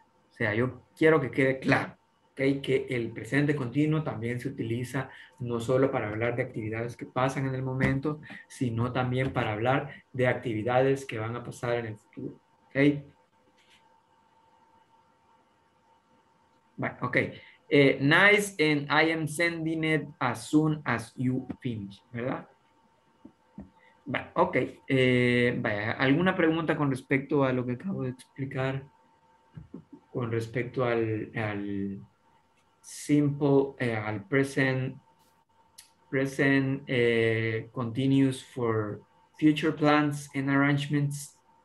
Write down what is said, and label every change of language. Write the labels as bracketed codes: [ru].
[es] O sea, yo quiero que quede claro, ¿ok? Que el presente continuo también se utiliza no solo para hablar de actividades que pasan en el momento, sino también para hablar de actividades que van a pasar en el futuro, ¿ok? Bueno, ok. [en] Nice, and I am sending it as soon as you finish, ¿verdad? [es] Ok, vaya, ¿alguna pregunta con respecto a lo que acabo de explicar? Con respecto al simple, al present continuous for future plans and arrangements.